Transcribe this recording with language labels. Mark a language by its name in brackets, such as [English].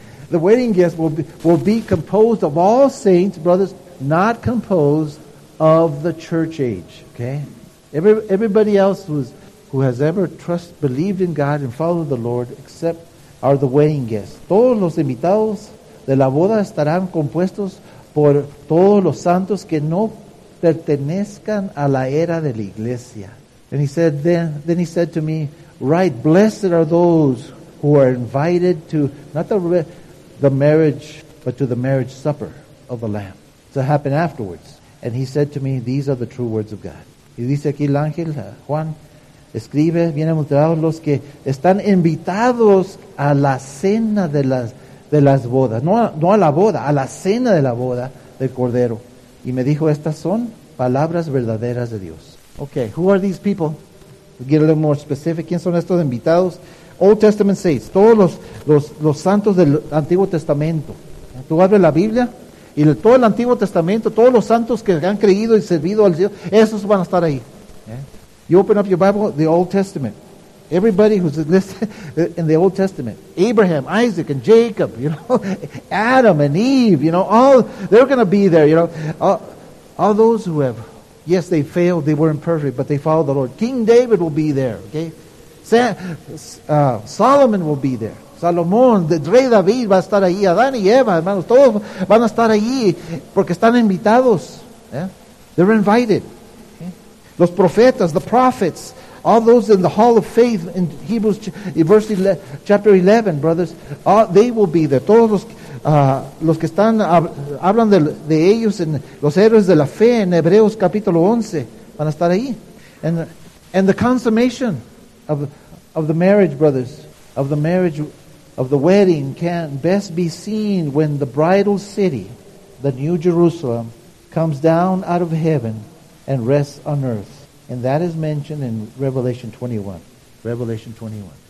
[English] The wedding guests will be composed of all saints, brothers, not composed of the church age. Okay? Everybody else who has ever believed in God and followed the Lord, except are the wedding guests. [Spanish] Todos los invitados de la boda estarán compuestos por todos los santos que no pertenezcan a la era de la iglesia. [English] And he said, then he said to me, write, blessed are those who are invited to, not the marriage, but to the marriage supper of the Lamb, to happen afterwards. And he said to me, these are the true words of God. [Spanish] Y dice aquí el ángel, Juan, escribe, bienaventurados los que están invitados a la cena de las bodas. No a la boda, a la cena de la boda del Cordero. Y me dijo, estas son palabras verdaderas de Dios. [English] Okay, who are these people? We'll get a little more specific. [Spanish] ¿Quién son estos invitados? [English] Old Testament saints, [Spanish] todos los santos del Antiguo Testamento. Tú abres la Biblia y todo el Antiguo Testamento, todos los santos que han creído y servido al Dios, esos van a estar ahí. [English] You open up your Bible, the Old Testament. Everybody who's listed in the Old Testament. Abraham, Isaac, and Jacob, you know. Adam and Eve, you know. All they're going to be there, you know. All those who have, yes, they failed, they weren't perfect, but they followed the Lord. King David will be there, okay. Solomon will be there. [Spanish] Salomón, el rey David va a estar ahí. Adán y Eva, hermanos, todos van a estar allí porque están invitados. [English] Yeah? They're invited. [Spanish] Los profetas, [English] the prophets, all those in the hall of faith in Hebrews chapter 11, brothers, they will be there. [Spanish] Todos los que están, hablan de ellos, en los héroes de la fe en Hebreos capítulo 11, van a estar ahí. [English] And the consummation of the marriage, brothers, of the marriage, of the wedding, can best be seen when the bridal city, the New Jerusalem, comes down out of heaven and rests on earth. And that is mentioned in Revelation 21. Revelation 21.